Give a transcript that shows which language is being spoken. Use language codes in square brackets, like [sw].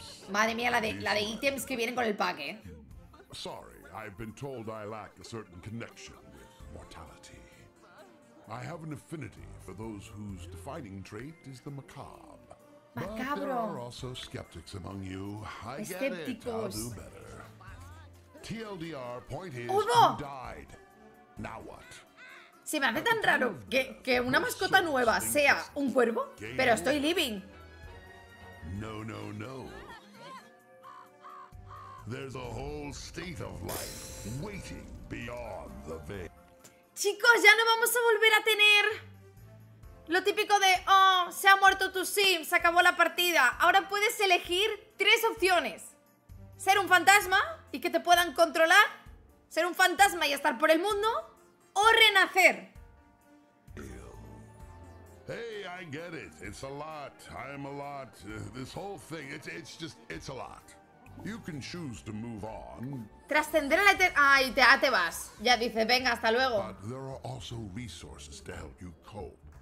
[es] Madre mía, la de ítems que vienen con el pack, ¿eh? [en] Sorry, I've been told I lack a certain connection with mortality. I have an affinity for those whose defining trait is the macabre. [es] Macabro. [en] But there are also skeptics among you. I [es] Escépticos. [en] Get it. I'll do better. TLDR, point is, ¡Ulvo! You died. Now what? [es] Se me hace tan raro que una mascota nueva sea un cuervo, pero estoy [en] living. [es] No, no, no. [en] There's a whole state of life waiting beyond the veil. [es] Chicos, ya no vamos a volver a tener lo típico de, oh, se ha muerto tu sim, se acabó la partida. Ahora puedes elegir 3 opciones. Ser un fantasma y que te puedan controlar. Ser un fantasma y estar por el mundo. O renacer. [en] Hey, I get it. It's a lot. I'm a lot. This whole thing, it's a lot. You can choose to move on. [es] Trascender la eternidad. Ay, ya te vas. Ya dices, venga, hasta luego. [en] But there are also resources to help you cope.